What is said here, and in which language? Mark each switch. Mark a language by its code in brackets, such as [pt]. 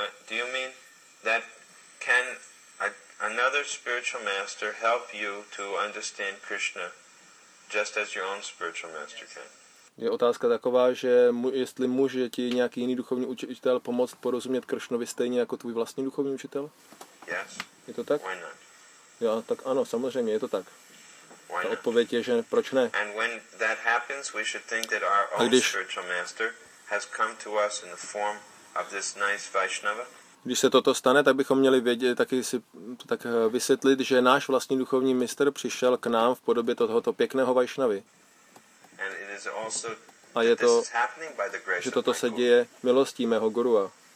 [en] Do you mean that can another spiritual master help you to understand Krishna just as your own spiritual master can? [cs] Je otázka taková, že jestli může ti nějaký jiný duchovní učitel pomoct porozumět Kršnovi stejně jako tvůj vlastní duchovní učitel? [en] Yes. [cs] Je to tak? [en] Why not? [cs] Jo, tak ano, samozřejmě, je to tak. [en] Why [cs] ta odpověď [en] not? [cs] Je, že proč ne? [en] And when that happens, we should think that our own spiritual master has come to us in the form of this nice Vaishnava. [cs] Když se toto stane, tak bychom měli vědět, taky si tak vysvětlit, že náš vlastní duchovní mistr přišel k nám v podobě tohoto pěkného Vaishnavy. A je to, že toto se děje milostí mého gurua.